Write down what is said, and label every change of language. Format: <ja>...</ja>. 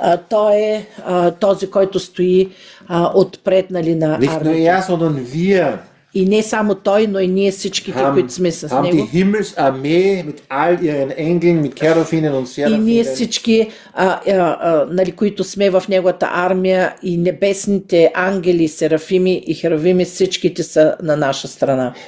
<bg>Той е този, който стои отпред, нали, на армията. И не само той, но и ние всичките, които сме с него.</bg> <de>Haben die Himmelsarmee mit all ihren Engeln, mit Cherubinen und Seraphinen.</de> <bg>И ние всички, нали, които сме в неговата армия, и небесните ангели, серафими и херовими, всичките са на наша страна.</bg>